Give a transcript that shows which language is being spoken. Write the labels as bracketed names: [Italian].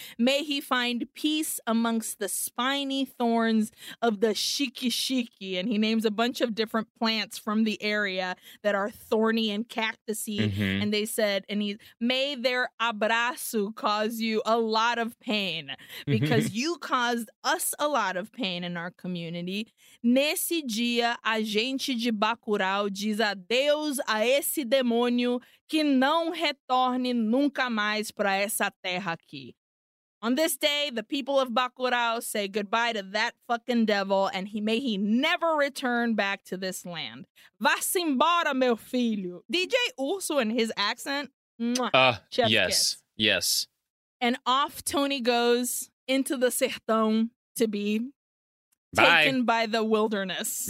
[English] May he find peace amongst the spiny thorns of the shiki-shiki. And he names a bunch of different plants from the area that are thorny and cactusy. Mm-hmm. And they said, may their abraço cause you a lot of pain. Because because you caused us a lot of pain in our community. [Portuguese] Nesse dia, a gente de Bacurau diz adeus a esse demônio que não retorne nunca mais para essa terra aqui. [English] On this day, the people of Bacurau say goodbye to that fucking devil, and may he never return back to this land. [Portuguese] Vá-se embora, meu filho. DJ Urso [English] and his accent. Yes. And off Tony goes into the sertão to be taken by the wilderness.